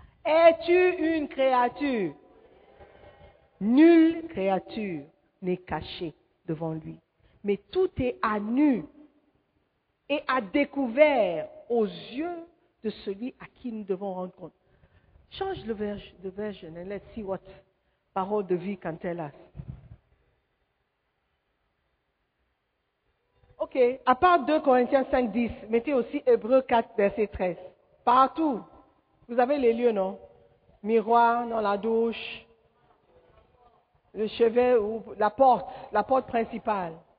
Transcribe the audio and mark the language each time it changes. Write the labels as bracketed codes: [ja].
[fr] Es-tu une créature? Nulle créature n'est cachée devant lui. Mais tout est à nu et à découvert aux yeux de celui à qui nous devons rendre compte. [en] Change le version and let's see what parole de vie can tell us. [fr] Ok, à part 2 Corinthiens 5, 10, mettez aussi Hébreux 4, verset 13. Partout, vous avez les lieux, non? Miroir, dans la douche, le chevet ou la porte principale.